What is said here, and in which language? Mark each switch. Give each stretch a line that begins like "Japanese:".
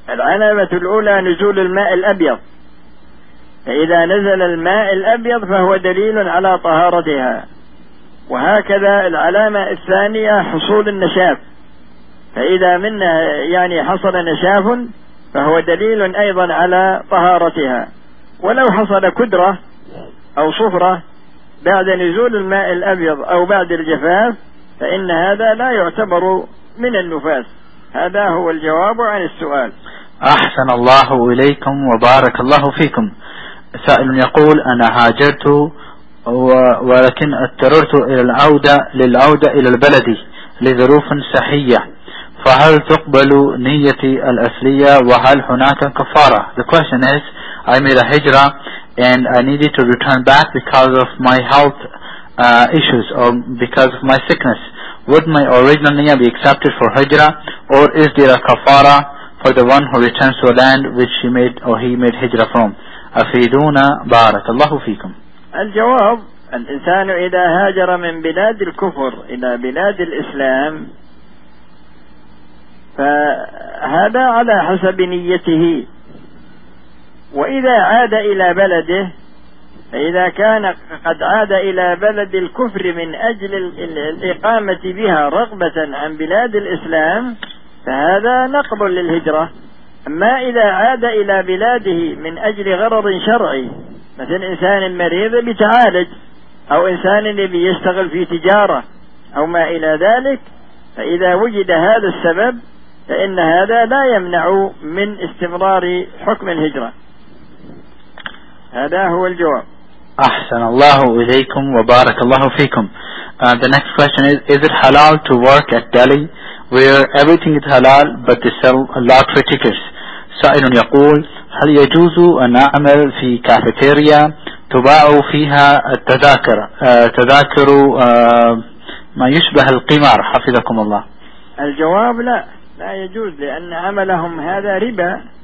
Arabic: العلامة الأولى نزول الماء الأبيض، فإذا نزل الماء الأبيض فهو دليل على طهارتها، وهكذا العلامة الثانية حصول النشاف، فإذا منها يعني حصل نشاف فهو دليل أيضا على طهارتها، ولو حصل كدرة أو صفرة بعد نزول الماء الأبيض أو بعد الجفاف فإن هذا لا يعتبر من النفاس. هذا هو الجواب عن السؤال. أحسن الله إليكم وبارك الله فيكم. سائل يقول أنا هاجرت ولكن اضطررت للعودة إلى البلد لظروف صحية، فهل تقبل نيتي الأصلية وهل هناك كفارة؟
English: The question is I made a hijra and I needed to return back because of my health issues or because of my sickness. Would my original niya be accepted for hijra or is there a kafara for the one who returns to a land which she made or he made hijra from?
Arabic: أفيدونا بارك الله فيكم. الجواب الإنسان إذا هاجر من بلاد الكفر إلى بلاد الإسلام فهذا على حسب نيته، وإذا عاد إلى بلده فإذا كان قد عاد إلى بلد الكفر من أجل الإقامة بها رغبة عن بلاد الإسلام فهذا نقبل للهجرة. أما إذا عاد إلى بلاده من أجل غرض شرعي مثل إنسان مريض بتعالج أو إنسان الذي يشتغل في تجارة أو ما إلى ذلك، فإذا وجد هذا السبب فإن هذا لا يمنع من استمرار حكم الهجرة. هذا هو الجواب. أحسن الله إليكم وبارك الله فيكم.
English: The next question is it halal to work at Delhi where everything is halal but they sell a lot of tickets.
Arabic: سائل يقول هل يجوز أن أعمل في كافيتيريا تباع فيها التذاكر ما يشبه القمار حفظكم الله؟ الجواب لا يجوز، لأن عملهم هذا ربا،